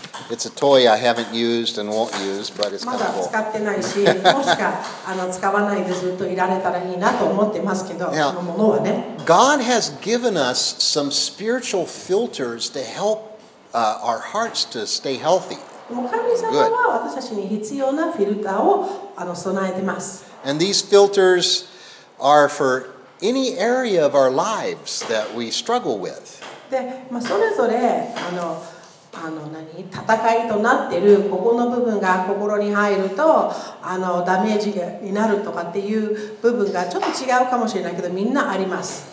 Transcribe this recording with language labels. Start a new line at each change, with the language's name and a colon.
English: It's a toy I haven't used and won't use, but it's kind of cool.
Japanese: まだ使ってないし、もしか使わないでずっといられたらいいなと思ってますけど、このものはね。
English: God has given us some spiritual filters to help our hearts to stay healthy.
Japanese: 神様は私たちに必要なフィルターを備えてます。
English: And these filters are for any area of our lives that we struggle with.
Japanese: で、まあ、それぞれ、戦いとなっているここの部分が心に入るとダメージになるとかっていう部分がちょっと違うかもしれないけど、みんなあります。